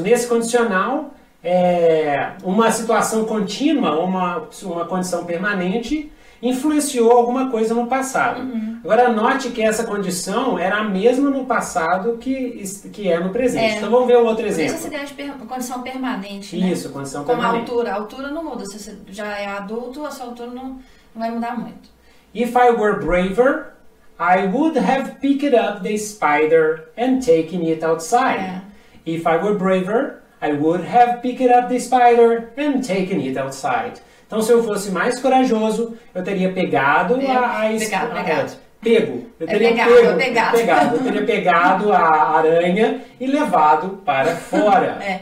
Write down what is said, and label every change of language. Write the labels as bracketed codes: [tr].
[pt] Nesse condicional, uma situação contínua, uma condição permanente, influenciou alguma coisa no passado. Agora, note que essa condição era a mesma no passado que é no presente. Então, vamos ver um outro Por isso essa exemplo. ideia de condição permanente, né? Isso, condição Como permanente. a altura não muda. Se você já é adulto, a sua altura não vai mudar muito. [en] If I were braver, I would have picked up the spider and taken it outside. If I were braver, I would have picked up the spider and taken it outside. [pt] Então, se eu fosse mais corajoso, eu teria pegado Pegado, pegado, pegado. pego. Eu teria pegado, é pego, pegado. pegado. Eu teria pegado a aranha e levado para fora,